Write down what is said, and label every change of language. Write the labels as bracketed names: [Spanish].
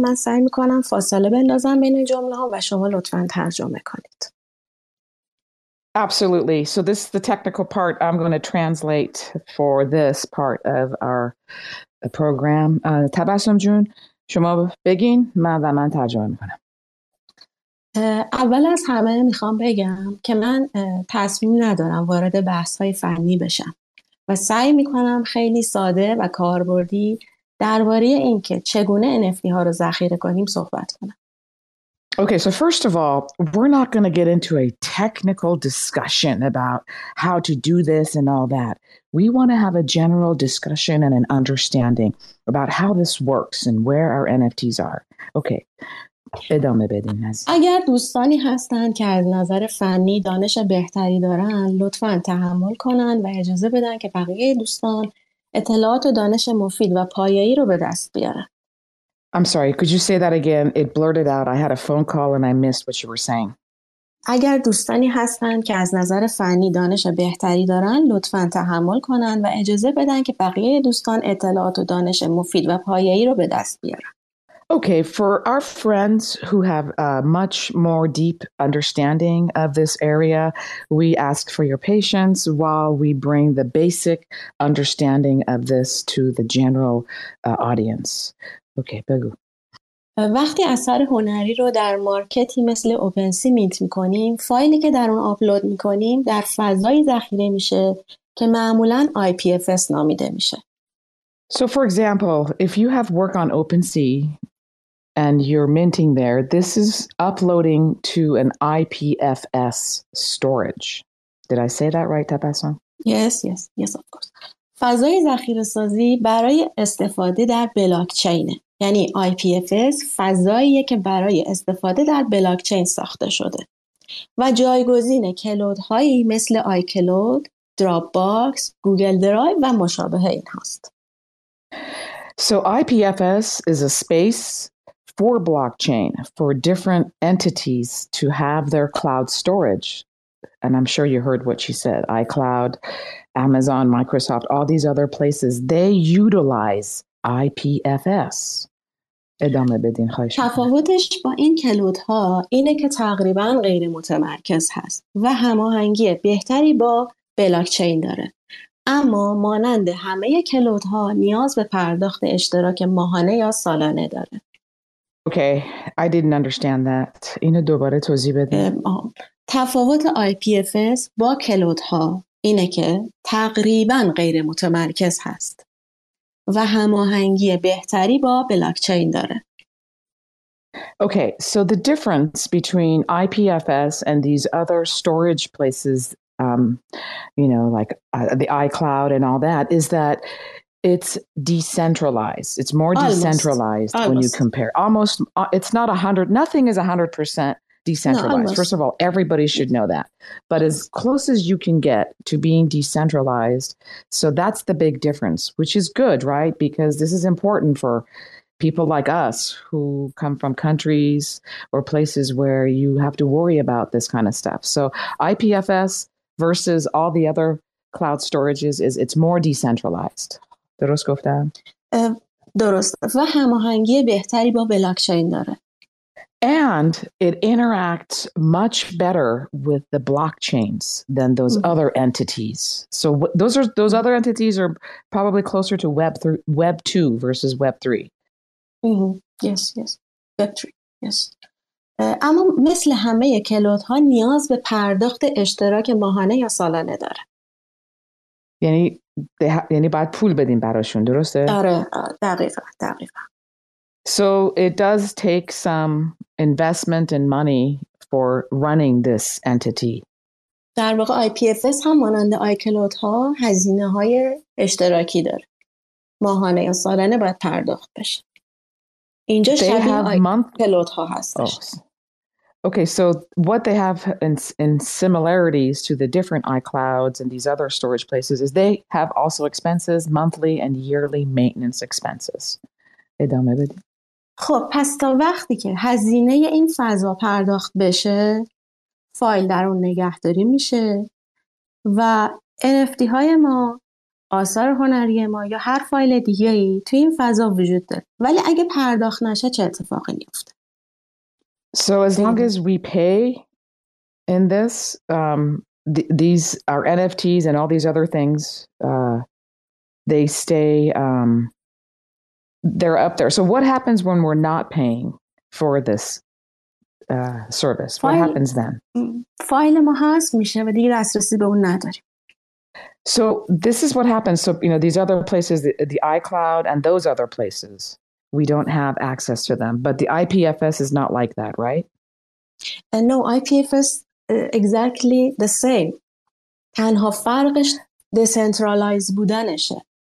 [Persian] من سعی میکنم فاصله بندازم بین جمله ها و شما لطفاً ترجمه کنید. [English] Absolutely. So this is the technical part. I'm going to translate for this part of our program. [Persian] تبسم جون شما بگین من و من ترجمه میکنم. اول از همه میخوام بگم که من تصمیم ندارم وارد بحث های فنی بشم و سعی میکنم خیلی ساده و کاربردی درباره این که چگونه NFT ها رو ذخیره کنیم صحبت کنم. [English] Okay, so first of all, we're not going to get into a technical discussion about how to do this and all that. We want to have a general discussion and an understanding about how this works and where our NFTs are. [Persian] Okay. ادامه بدین. اگر دوستانی هستند که از نظر فنی دانش بهتری دارن، لطفاً تحمل کنن و اجازه بدن که بقیه دوستان اطلاعات و دانش مفید و پایه‌ای رو به دست بیارن. [English] I'm sorry, could you say that again? It blurted out. I had a phone call and I missed what you were saying. [Persian] اگر دوستانی هستند که از نظر فنی دانش بهتری دارن، لطفاً تحمل کنن و اجازه بدن که بقیه دوستان اطلاعات و دانش مفید و پایه‌ای رو به دست بیارن. [English] Okay, for our friends who have a much more deep understanding of this area, we ask for your patience while we bring the basic understanding of this to the general audience. [Persian] Okay, بگو. وقتی اثر هنری رو در مارکتی مثل اوپنسی مینت میکنیم، فایلی که در اون آپلود میکنیم در فضای ذخیره میشه که معمولاً IPFS نامیده میشه. [English] So for example, if you have work on OpenSea and you're minting there, this is uploading to an IPFS storage. Did I say that right, Tabasum? Yes, of course. [Persian] فضای ذخیره‌سازی برای استفاده در بلاکچینه. یعنی IPFS فضاییه که برای استفاده در بلاکچین ساخته شده و جایگزین کلودهایی مثل iCloud, Dropbox, Google Drive و مشابه این هست. [English] So IPFS is a space for blockchain, for different entities to have their cloud storage. And I'm sure you heard what she said, iCloud, Amazon, Microsoft, all these other places, they utilize IPFS. [Persian] ادامه بدین خواهش. تفاوتش با این کلودها اینه که تقریبا غیر متمرکز هست و هماهنگی بهتری با بلاکچین داره. اما مانند همه کلودها نیاز به پرداخت اشتراک ماهانه یا سالانه داره. [English] Okay, I didn't understand that. [Persian] اینو دوباره توضیح بده. تفاوت IPFS با کلودها اینه که تقریبا غیر متمرکز هست و هماهنگی بهتری با بلاکچین داره. [English] Okay, so the difference between IPFS and these other storage places, the iCloud and all that, is that it's decentralized. It's more decentralized almost. When you compare. Almost, it's not 100%. Nothing is 100% decentralized. No, first of all, everybody should know that. But as close as you can get to being decentralized, so that's the big difference, which is good, right? Because this is important for people like us who come from countries or places where you have to worry about this kind of stuff. So IPFS versus all the other cloud storages, it's more decentralized. [Persian] درست گفتم؟ درست. و هماهنگی بهتری با بلاکچین داره. [English] And it interacts much better with the blockchains than those other entities. So those other entities are probably closer to Web 2 versus Web 3. Yes. Web 3, yes. [Persian] اما مثل همه کلودها نیاز به پرداخت اشتراک ماهانه یا سالانه داره. یعنی باید پول بدیم براشون، درسته؟ آره، دقیقا. [English] So it does take some investment and money for running this entity. [Persian] در واقع IPFS هم مانند iCloud ها هزینه های اشتراکی داره. ماهانه یا سالانه باید پرداخت بشه. اینجا شبیه iCloud ها هستش. [English] Okay, so what they have in similarities to the different iClouds and these other storage places is they have also expenses, monthly and yearly maintenance expenses. [Persian] ادامه بدید. خب پس تا وقتی که هزینه این فضا پرداخت بشه فایل در اون نگهداری میشه و NFT های ما آثار هنری ما یا هر فایل دیگه ای تو این فضا وجود داره ولی اگه پرداخت نشه چه اتفاقی میفته؟ [English] So as long as we pay in this, these our NFTs and all these other things, they stay, they're up there. So what happens when we're not paying for this service? What happens then? [Persian] File ما هست میشه و دیگه دسترسی به اون نداریم. [English] So this is what happens. So, you know, these other places, the iCloud and those other places. We don't have access to them. But the IPFS is not like that, right? No, IPFS exactly the same. [Persian] تنها فرقش decentralized بودنشه.